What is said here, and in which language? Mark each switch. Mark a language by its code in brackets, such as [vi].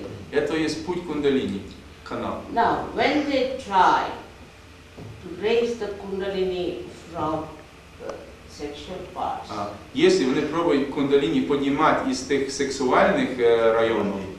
[ru] Это есть путь кундалини, канал. [en] Now, when they try to raise the kundalini from sexual parts. [ru] Если они пробуют кундалини поднимать из тех сексуальных районов,